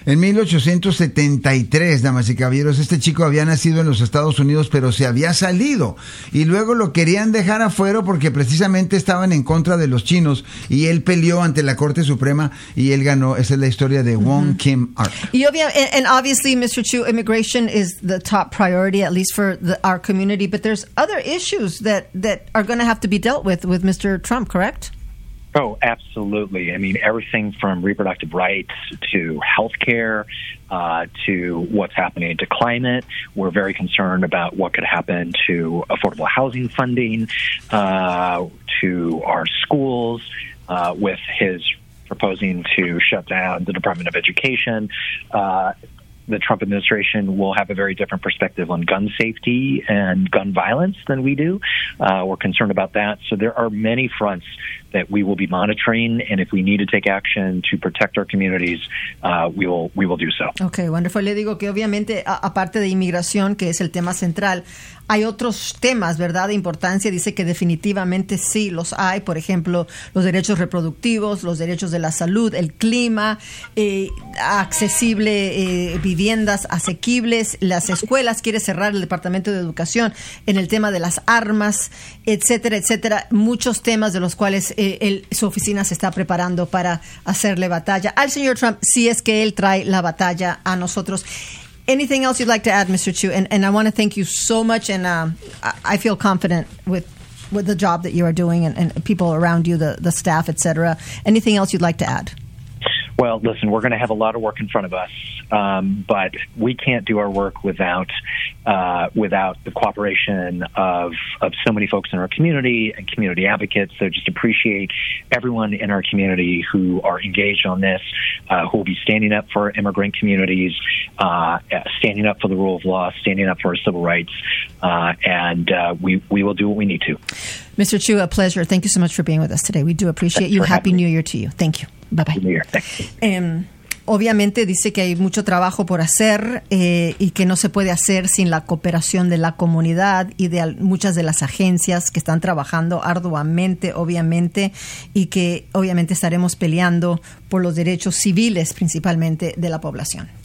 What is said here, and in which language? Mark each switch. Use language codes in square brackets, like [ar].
[es] En 1873, damas y caballeros, este chico había nacido en los Estados Unidos, pero se había salido, y luego lo querían dejar afuera porque precisamente estaban en contra de los chinos, y él peleó ante la Corte Suprema, y él ganó. Esa es la historia de Wong uh-huh. Kim Ark. [en] And obviously, Mr. Chu, immigration is the top priority, at least for our community, but there's other issues that are going to have to be dealt with Mr. Trump, correct? Oh, absolutely. I mean, everything from reproductive rights to health care to what's happening to climate. We're very concerned about what could happen to affordable housing funding, to our schools, with his proposing to shut down the Department of Education. the Trump administration will have a very different perspective on gun safety and gun violence than we do. We're concerned about that. So there are many fronts that we will be monitoring, and if we need to take action to protect our communities, we will do so. Okay, wonderful. [es] Le digo que obviamente, aparte de inmigración, que es el tema central, hay otros temas, ¿verdad?, de importancia. Dice que definitivamente sí los hay, por ejemplo, los derechos reproductivos, los derechos de la salud, el clima, accesible, viviendas asequibles, las escuelas, quiere cerrar el Departamento de Educación en el tema de las armas, etcétera, etcétera. Muchos temas de los cuales su oficina se está preparando para hacerle batalla al señor Trump, si es que él trae la batalla a nosotros. [en] Anything else you'd like to add, Mr. Chu? And I want to thank you so much, and I feel confident with the job that you are doing and people around you, the staff, et cetera. Anything else you'd like to add? Well, listen, we're going to have a lot of work in front of us, but we can't do our work without the cooperation of so many folks in our community and community advocates. So just appreciate everyone in our community who are engaged on this, who will be standing up for immigrant communities, standing up for the rule of law, standing up for our civil rights, and we will do what we need to. Mr. Chu, a pleasure. Thank you so much for being with us today. We do appreciate Thanks you. Happy New Year to you. Thank you. Bye bye. [es] Obviamente dice que hay mucho trabajo por hacer y que no se puede hacer sin la cooperación de la comunidad y de muchas de las agencias que están trabajando arduamente, obviamente, y que obviamente estaremos peleando por los derechos civiles, principalmente de la población.